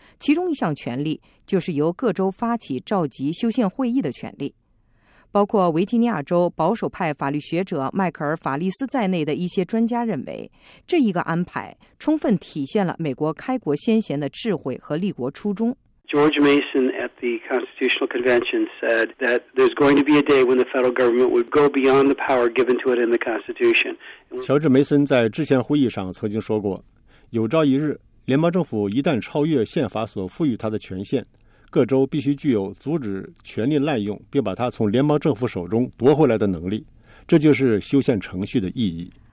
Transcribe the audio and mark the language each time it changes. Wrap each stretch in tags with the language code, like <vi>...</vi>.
<zh>其中一项权利就是由各州发起召集修宪会议的权利。包括维吉尼亚州保守派法律学者迈克尔·法利斯在内的一些专家认为，这一个安排充分体现了美国开国先贤的智慧和立国初衷。</zh> <en>George Mason at the Constitutional Convention said that there's going to be a day when the federal government would go beyond the power given to it in the Constitution.</en> <zh>乔治·梅森在制宪会议上曾经说过，有朝一日，联邦政府一旦超越宪法所赋予它的权限，各州必须具有阻止权力滥用并把它从联邦政府手中夺回来的能力，这就是修宪程序的意义。</zh>